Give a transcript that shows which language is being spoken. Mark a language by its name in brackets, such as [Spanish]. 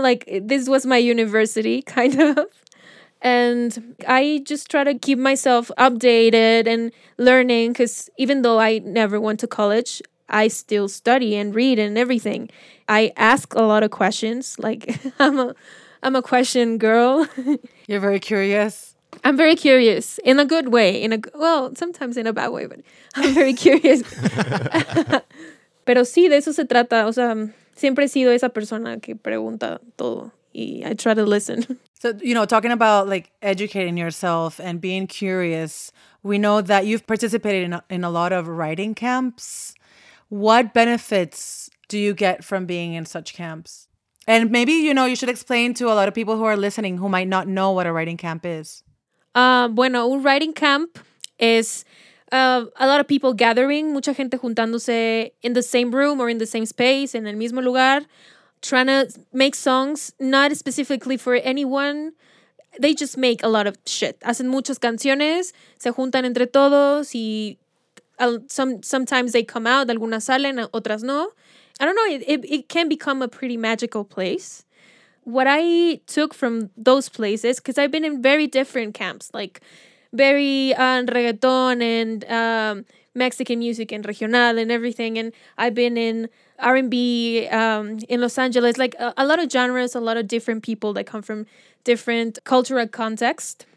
[English] Like, this was my university, kind of. And I just try to keep myself updated and learning, because even though I never went to college, I still study and read and everything. I ask a lot of questions, like, I'm a question girl. You're very curious. I'm very curious in a good way. Well, sometimes in a bad way, but I'm very curious. [Spanish] Pero sí, de eso se trata. O sea, siempre he sido esa persona que pregunta todo. [English] Y I try to listen. So, you know, talking about, like, educating yourself and being curious, we know that you've participated in a lot of writing camps. What benefits do you get from being in such camps? And maybe, you know, you should explain to a lot of people who are listening who might not know what a writing camp is. [Spanish] Bueno, un [English] writing camp is a lot of people gathering, [Spanish] mucha gente juntándose [English] in the same room or in the same space, [Spanish] en el mismo lugar, [English] trying to make songs, not specifically for anyone. They just make a lot of shit. [Spanish] Hacen muchas canciones, se juntan entre todos, y [English] sometimes they come out, [Spanish] algunas salen, otras no. [English] I don't know, it can become a pretty magical place. What I took from those places, because I've been in very different camps, like very reggaeton and Mexican music and regional and everything. And I've been in R&B in Los Angeles, like a lot of genres, a lot of different people that come from different cultural contexts.